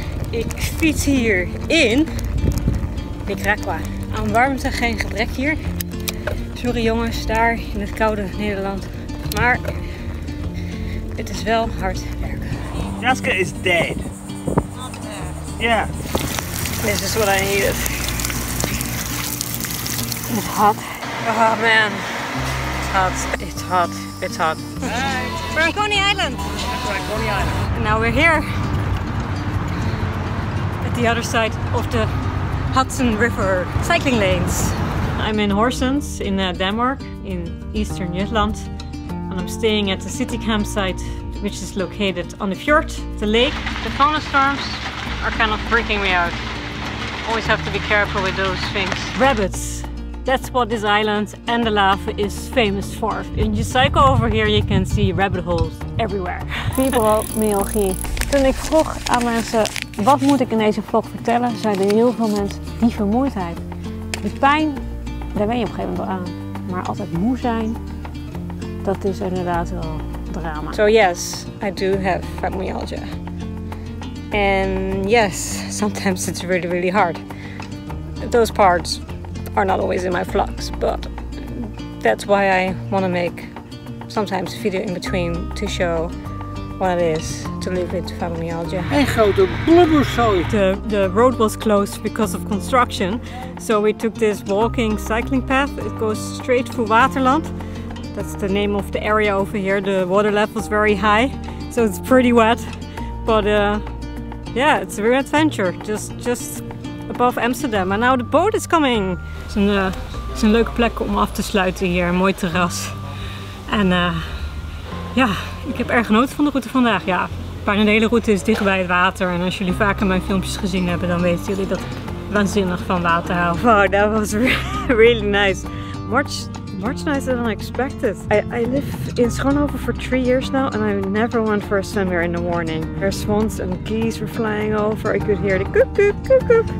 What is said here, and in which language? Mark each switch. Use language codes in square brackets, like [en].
[nl] Ik fiets hier in Nicaragua. Aan warmte geen gebrek hier. Sorry jongens, daar in het koude Nederland. Maar het is wel hard werken. [en] Jessica is dead. Not dead. Yeah. This is what I needed. It's hot. Oh man. It's hot. Hi. Coney Island. That's right, Coney Island. And now we're here at the other side of the Hudson River cycling lanes. I'm in Horsens in Denmark, in eastern Jutland, and I'm staying at the city campsite, which is located on the fjord, the lake. The thunderstorms are kind of freaking me out. Always have to be careful with those things. Rabbits. That's what this island and the lava is famous for. When you cycle over here, you can see rabbit holes everywhere. [nl] Fibromyalgie. Toen ik vroeg aan mensen, wat moet ik in deze vlog vertellen, zeiden heel veel mensen, die vermoeidheid. De pijn, daar ben je op een gegeven moment wel aan. Maar altijd moe zijn, dat is inderdaad wel drama. [en] So yes, I do have fibromyalgia. And yes, sometimes it's really, really hard. Those parts are not always in my vlogs, but that's why I want to make sometimes a video in between to show what it is to live with fibromyalgia. [nl] Een grote blubberzooi. [en] The road was closed because of construction, so we took this walking cycling path. It goes straight through Waterland. That's the name of the area over here. The water level is very high, so it's pretty wet. But yeah, it's a real adventure. Just above Amsterdam, and now the boat is coming. It's [nl] a leuke plek om af te sluiten hier, een mooi terras. En ja, ik heb erg genoten van de route vandaag. Ja, bijna de hele route is dicht bij het water. En als jullie vaker mijn filmpjes gezien hebben, dan weten jullie dat ik waanzinnig van water hou. [en] Wow, that was really nice. Much nicer than I expected. I live in Schoonhoven for 3 years now and I never went for a swim here in the morning. Where swans and geese were flying over, I could hear the coop coop coop coop.